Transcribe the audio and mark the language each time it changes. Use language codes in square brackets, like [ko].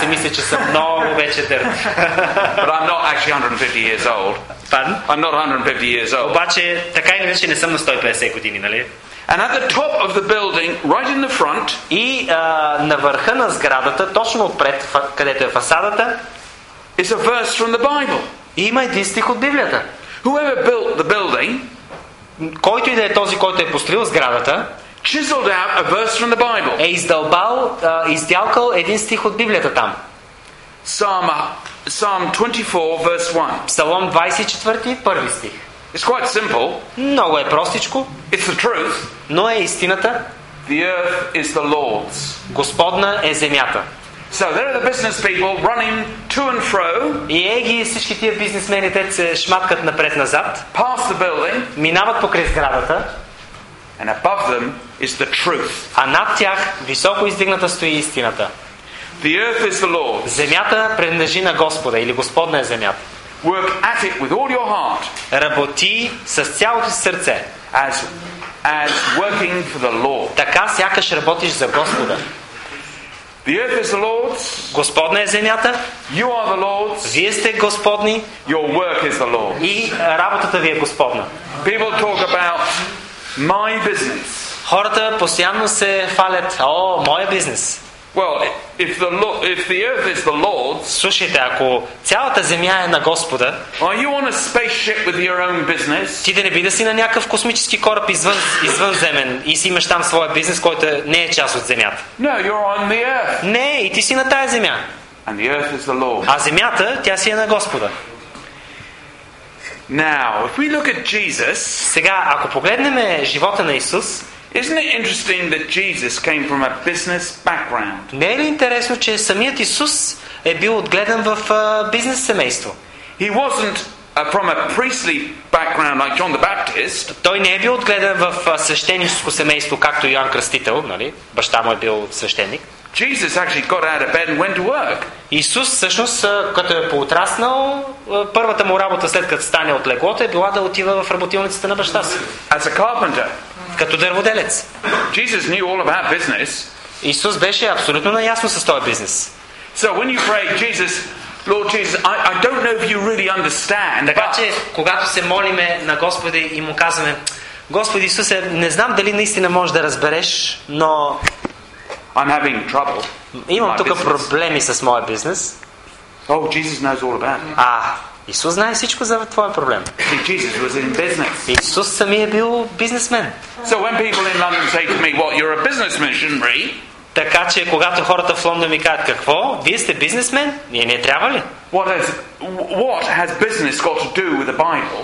[bg] си мисли, че съм много вече дърт. [en] But I'm not actually 150 years old. Pardon? I'm not 150 years old. [bg] Обаче, така или иначе, не съм на 150 години, нали? [en] And at the top of the building, right in the front, [bg] и на върха на сградата, точно отпред, където е фасадата, [en] is a verse from the Bible. [bg] Има един стих от Библията. [en] Whoever built the building, [bg] който и да е този, който е построил сградата, [en] chiseled out a verse from the Bible. [bg] Е издялкал един стих от Библията там. [en] Psalm 24 verse 1. [bg] Псалом 24, първи стих. [en] It's quite simple. [bg] Много е простичко. [en] It's the truth. [bg] Но е истината. [en] The earth is the Lord's. [bg] Господна е земята. [en] So there are the business people running to and fro. [bg] И еги всички тия бизнесмени, те се шматкат напред-назад. [en] Past the building. [bg] Минават покрай сградата. [en] And above them is the truth. [bg] А над тях високо издигната стои истината. [en] The earth is the Lord. [bg] Земята принадлежи на Господа, или Господна е земята. [en] Work at it with all your heart. [bg] Работи с цялото си сърце. [en] as working for the Lord. [bg] Така сякаш работиш за Господа. [en] The earth is the Lord's. [bg] Господна е земята. [en] You are the Lord's. [bg] Вие сте Господни. [en] Your work is the Lord's. [bg] И работата ви е Господна. [en] People talk about my business. [bg] Хората постоянно се фалят: "О, моя бизнес." [en] Well, if the earth is the Lord's, [bg] слушайте, ако цялата земя е на Господа, [en] are you on a spaceship with your own business? [bg] Ти да не би да си на някакъв космически кораб извънземен и си имаш там своя бизнес, който не е част от земята. [en] No, you're on the earth. [bg] Не, и ти си на тая земя. [en] And the earth is the Lord's. [bg] А земята, тя си е на Господа. [en] Now, if we look at Jesus, [bg] сега ако погледнем живота на Исус, [en] isn't it interesting that Jesus came from a business background? [bg] Не е ли интересно, че самият Исус е бил отгледан в бизнес семейство? [en] He wasn't from a priestly background like John the Baptist. [bg] Той не е бил отгледан в свещеническо семейство, както Йоан Кръстител, нали? Баща му е бил свещеник. [en] Jesus actually got out of bed and went to work. [bg] Исус всъщност, като е поотраснал, първата му работа след като стане от леглото е била да отива в работилницата на баща си. [en] As a carpenter. [bg] Като дърводелец. [en] Jesus knew all about business. [bg] Исус беше абсолютно наясно с този бизнес. [en] So when you pray, Jesus, Lord Jesus, I don't know if you really understand. [bg] Така че когато се молиме на Господи и му казваме: Господи Исусе, не знам дали наистина можеш да разбереш, но [en] I'm having trouble. [bg] Имам тук проблеми с моя бизнес. [en] Oh, Jesus knows all about it. [bg] Исус знае всичко за твоя проблем. [en] Jesus was in business. [bg] Исус сами е бил бизнесмен. [en] So when people in London say to me, "What, you're a businessman, shouldn't we?" [bg] Така че когато хората в Лондон ми кажат: "Какво? Вие сте бизнесмен? Ние не трябва ли?" [en] What has business got to do with the Bible?